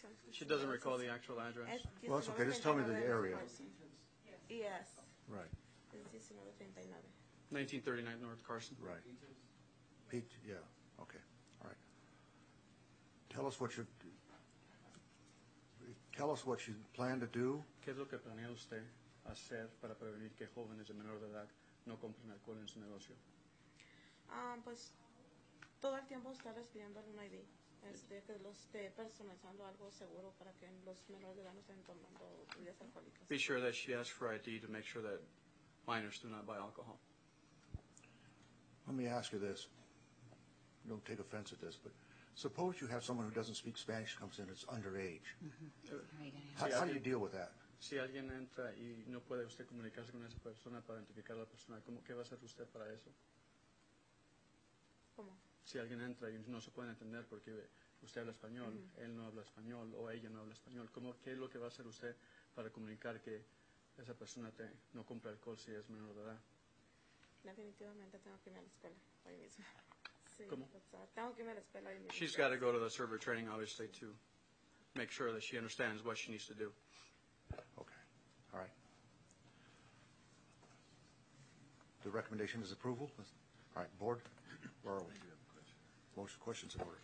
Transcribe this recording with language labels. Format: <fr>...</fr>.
<en>She doesn't recall the actual address. Well, that's okay. Just tell me the area. Yes. Right. 1939 North Carson. Right. Pete, yeah. Okay. All right. Tell us what you're tell us what you plan to do?</en> <es>¿Qué es lo que planea usted hacer para prevenir que jóvenes de menor de edad no compren alcohol en su negocio? Pues todo el tiempo está recibiendo un ID, que lo esté personalizando algo seguro para que los menores de edad no estén tomando bebidas alcohólicas.</es> <en>Be sure that she asks for ID to make sure that minors do not buy alcohol. Let me ask you this. Don't take offense at this, but suppose you have someone who doesn't speak Spanish comes in, it's underage. How do you deal with that?</en> <es>Si alguien entra y no puede usted comunicarse con esa persona para identificar a la persona, ¿cómo, qué va a hacer usted para eso? ¿Cómo? Si alguien entra y no se puede entender porque usted habla español, uh-huh. él no habla español o ella no habla español, ¿cómo, qué es lo que va a hacer usted para comunicar que esa persona te, no compra alcohol si es menor de edad? Definitivamente tengo que ir a la escuela hoy mismo.</es> <en>Come on. She's got to go to the server training, obviously, to make sure that she understands what she needs to do. Okay. All right. The recommendation is approval. All right, board, where are we? Most questions in order.</en>